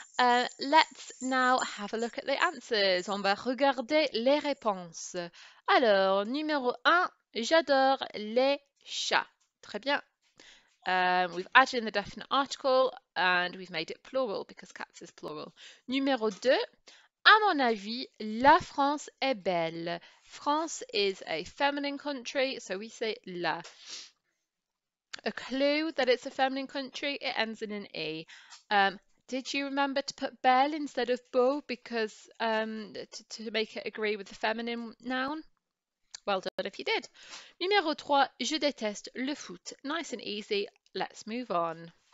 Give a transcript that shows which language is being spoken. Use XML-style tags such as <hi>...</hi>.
<en>Let's now have a look at the answers.</en> <fr>On va regarder les réponses. Alors, numéro 1, j'adore les chats. Très bien.</fr> <en>We've added in the definite article and we've made it plural because cats is plural.</en> <fr>Numéro 2, à mon avis, la France est belle.</fr> <en>France is a feminine country, so we say la. A clue that it's a feminine country, it ends in an E. Did you remember to put belle instead of beau because to make it agree with the feminine noun? Well done if you did.</en> <fr>Numéro 3, je déteste le foot.</fr> <en>Nice and easy. Let's move on.</en>